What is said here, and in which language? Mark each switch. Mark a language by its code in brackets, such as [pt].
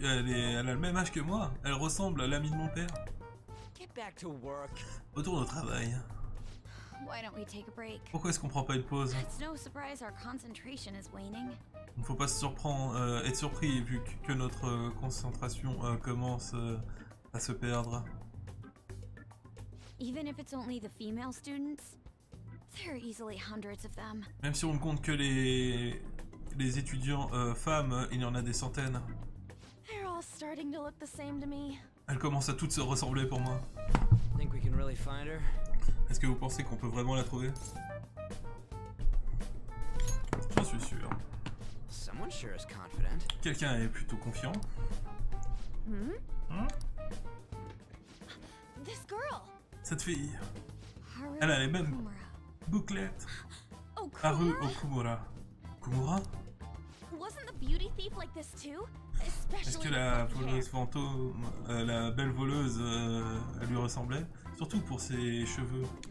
[fr] Elle a le même âge que moi. Elle ressemble à l'ami de mon père. [en] Get back to work. [fr] Retourne au travail. [en] Why don't we take a break? [fr] Pourquoi est-ce qu'on prend pas une pause? [en] It's no surprise our concentration is waning. [fr] Il ne faut pas se surprendre, être surpris vu que notre concentration commence à se perdre. [en] Even if it's only the female students, there are easily hundreds of them. [fr] Même si on ne compte que les étudiants femmes, il y en a des centaines. [en] They're all starting to look the same to me. [fr] Elles commencent à toutes se ressembler pour moi. [en] Think we can really find her? [fr] Est-ce que vous pensez qu'on peut vraiment la trouver? Je suis sûr. [en] Someone sure is confident. [fr] Quelqu'un est plutôt confiant. [en] This girl. [fr] Cette fille. Elle a les mêmes bouclettes. Haru Okumura. Kumura? [en] Wasn't the beauty thief like this too? [fr] Est-ce que la voleuse fantôme, la belle voleuse, elle lui ressemblait? Surtout pour ses cheveux.